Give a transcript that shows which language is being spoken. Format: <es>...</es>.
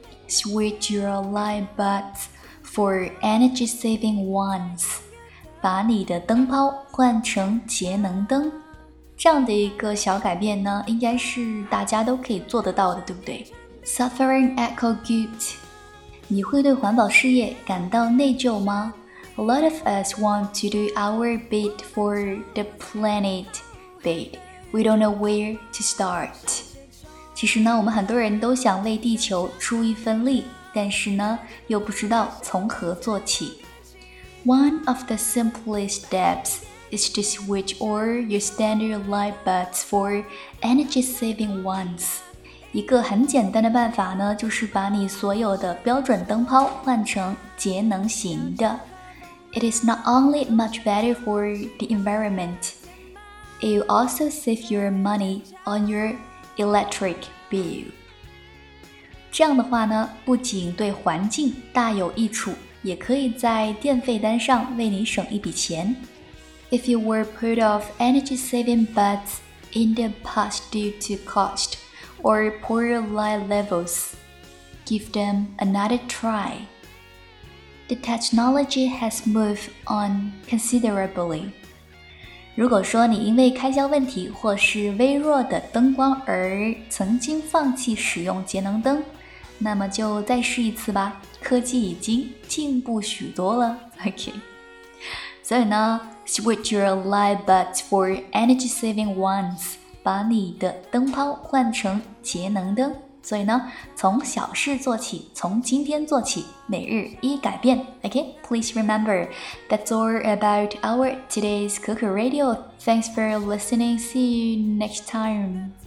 <en>Switch your light bulbs for energy-saving ones.</en> <zh>把你的灯泡换成节能灯。这样的一个小改变呢，应该是大家都可以做得到的，对不对？</zh> <en>Suffering eco guilt.</en> <zh>你会对环保事业感到内疚吗？</zh> <en>A lot of us want to do our bit for the planet, but we don't know where to start.</en> <zh>其实呢，我们很多人都想为地球出一份力，但是呢，又不知道从何做起。</zh> <en>One of the simplest steps. Is to switch all your standard light bulbs for energy-saving ones.</en> <zh>一个很简单的办法呢，就是把你所有的标准灯泡换成节能型的。</zh> <en>It is not only much better for the environment, it will also save your money on your electric bill.</en> <zh>这样的话呢，不仅对环境大有益处，也可以在电费单上为你省一笔钱。</zh> <en>If you were put off energy-saving bulbs in the past due to cost or poor light levels, give them another try. The technology has moved on considerably.</en> <zh>如果说你因为开销问题或是微弱的灯光而曾经放弃使用节能灯，那么就再试一次吧。科技已经进步许多了。</zh> <en>Okay.</en> <zh>所以呢</zh> <en>switch your light bulbs for energy-saving ones.</en> <zh>把你的灯泡换成节能灯。所以呢，从小事做起，从今天做起，每日一改变。</zh> <en>Okay, please remember, that's all about our today's Kuku Radio. Thanks for listening. See you next time.</en>